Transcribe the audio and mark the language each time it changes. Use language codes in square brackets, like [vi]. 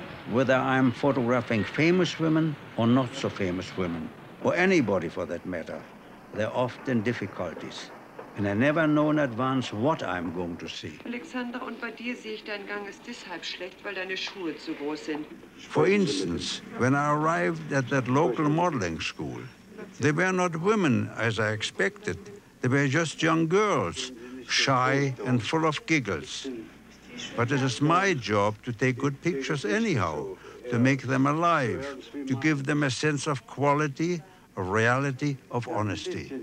[en] Whether I'm photographing famous women or not so famous women, or anybody for that matter, there are often difficulties. And I never know in advance what I'm going to see. [de] Alexander, und bei dir sehe ich deinen Gang ist deshalb schlecht, weil deine Schuhe zu groß sind. [en] For instance, when I arrived at that local modeling school, they were not women as I expected. They were just young girls, shy and full of giggles. But it is my job to take good pictures anyhow, to make them alive, to give them a sense of quality, of reality, of honesty.